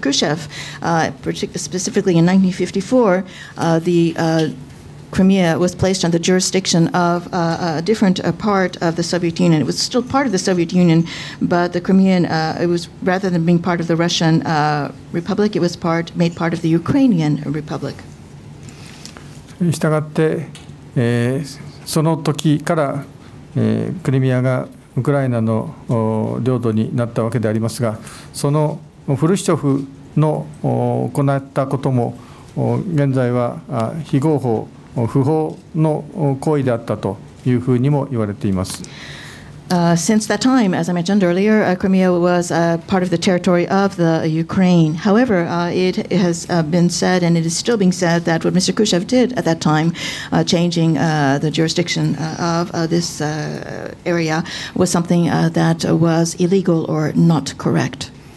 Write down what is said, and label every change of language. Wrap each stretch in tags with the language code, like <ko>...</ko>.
<en>Khrushchev, specifically in 1954, the Crimea was placed under the jurisdiction of a different part of the Soviet Union. It was still part of the Soviet Union, but the Crimean, it was rather than being part of the Russian Republic, it was made part of the Ukrainian Republic.</en> <ja>したがって、その時から、クリミアがウクライナの領土になったわけでありますが、そのフルシチョフの行ったことも現在は非合法、不法の行為であったというふうにも言われています。</ja> <en>Since that time, as I mentioned earlier, Crimea was part of the territory of the Ukraine. However, it has been said, and it is still being said, that what Mr. Khrushchev did at that time, changing the jurisdiction of this area, was something that was illegal or not correct.</en>